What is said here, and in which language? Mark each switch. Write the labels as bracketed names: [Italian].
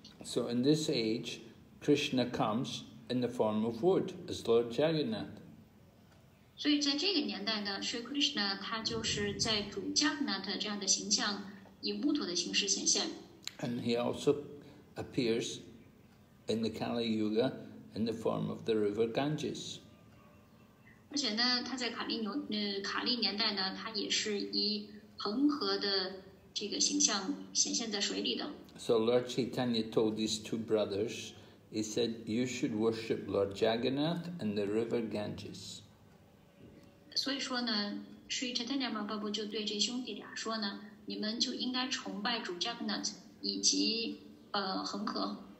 [English] So in this age, Krishna comes in the form of wood as Lord Jagannath. [Chinese] 所以在这个年代呢 ，Sri Krishna 他就是在主 Jagannath 这样的形象，以木头的形式显现。 [English] And he also appears in the Kali Yuga in the form of the river Ganges. [Chinese] 而且呢，他在卡利年代呢，他也是以恒河的这个形象显现在水里的。 [English] So Lord Chaitanya told these two brothers, he said, "You should worship Lord Jagannath and the river Ganges." [Chinese] 所以说呢 ，Sri Chaitanya Mahaprabhu 就对这兄弟俩说呢，你们就应该崇拜主 Jagannath 以及恒河。